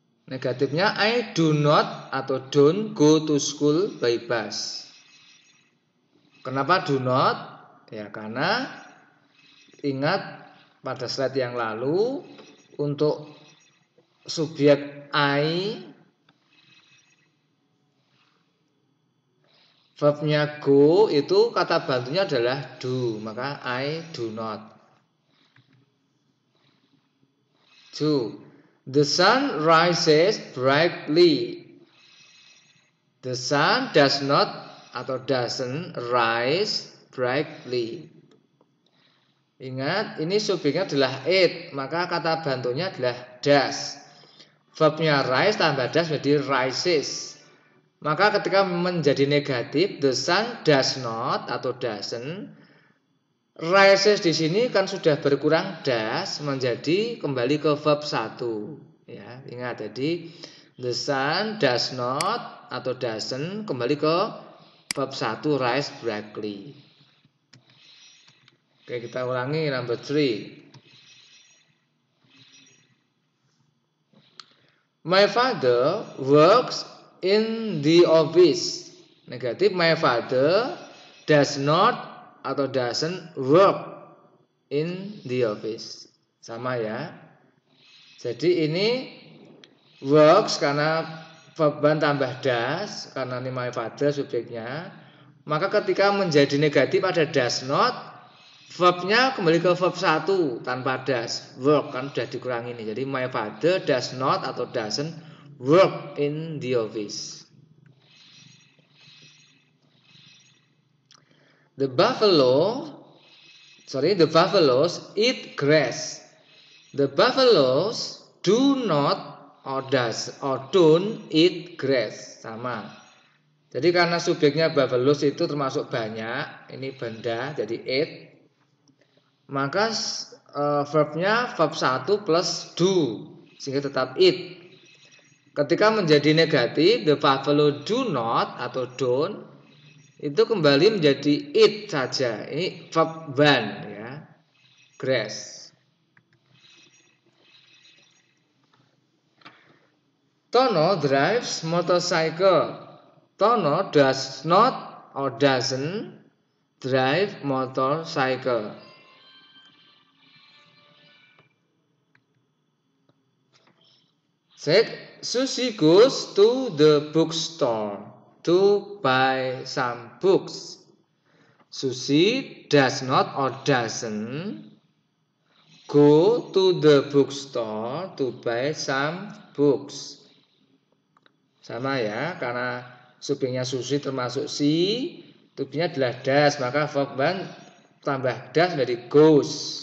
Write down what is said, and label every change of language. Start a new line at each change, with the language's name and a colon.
English: Negatifnya, I do not atau don't go to school by bus. Kenapa do not?
Indonesian: Ya, karena ingat pada slide yang lalu, untuk subjek I, verbnya go itu kata bantunya adalah do, maka
English: I do not. Two, the sun rises brightly. The sun does not atau doesn't rise brightly.
Indonesian: Ingat, ini subjeknya adalah it, maka kata bantunya adalah does. Verbnya rise tambah does menjadi rises. Maka ketika menjadi negatif,
English: the sun does not
Indonesian: atau doesn't, rises di sini kan sudah berkurang does menjadi kembali ke verb 1.
English: Ya, ingat, jadi the sun does not atau doesn't kembali ke verb 1, rise brightly.
Indonesian: Oke, kita ulangi number 3.
English: My father works in the office. Negatif, my father does not atau doesn't work in the office.
Indonesian: Sama ya. Jadi ini works karena verban tambah does, karena ini my father subjeknya. Maka ketika menjadi negatif ada
English: does not,
Indonesian: verbnya kembali ke verb 1 tanpa does, work kan sudah dikurangi ini.
English: Jadi my father does not atau doesn't work in the office. The buffaloes eat grass. The buffaloes do not or does or don't eat grass.
Indonesian: Sama. Jadi karena subjeknya buffaloes itu termasuk banyak, ini benda jadi eat. Maka verbnya verb 1 plus do, sehingga tetap it. Ketika menjadi negatif,
English: the buffalo do not
Indonesian: atau don't, itu kembali menjadi it saja. Ini verb 1, ya, grass.
English: Tono drives motorcycle. Tono does not or doesn't drive motorcycle. Said, Susie goes to the bookstore to buy some books. Susie does not or doesn't go to the bookstore to buy some books.
Indonesian: Sama ya, karena subjeknya Susie termasuk si, subjeknya adalah does, maka verb 1 tambah does menjadi goes.